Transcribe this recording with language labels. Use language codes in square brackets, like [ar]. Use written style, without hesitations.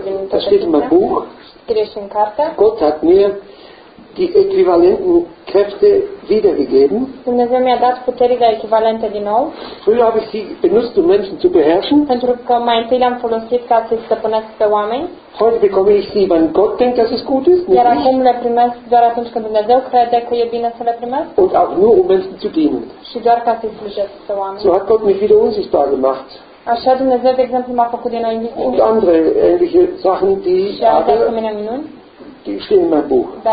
[de] das steht in meinem Buch, [ro] scrie și în carte, [de] Gott hat mir die äquivalenten Kräfte wiedergegeben. [ro] Dumnezeu mi-a dat puterile echivalente din nou. [de] Früher habe ich sie benutzt, um Menschen zu beherrschen. [ro] Pentru că mai întâi le-am folosit ca să-i stăpânesc pe oameni. [de] Heute bekomme ich sie, wenn Gott denkt, dass es gut ist. [ro] Iar acum le primesc doar atunci când Dumnezeu crede că e bine să le primesc. [de] Und auch nur, um Menschen zu dienen. [ro] Și doar ca să-i slujesc pe oameni. [de] So hat Gott mich wieder unsichtbar gemacht. [ro] Așa Dumnezeu, de exemplu, m-a făcut din nou invisibil. [de] Und andere ähnliche Sachen, die aber... Die stehen in meinem Buch.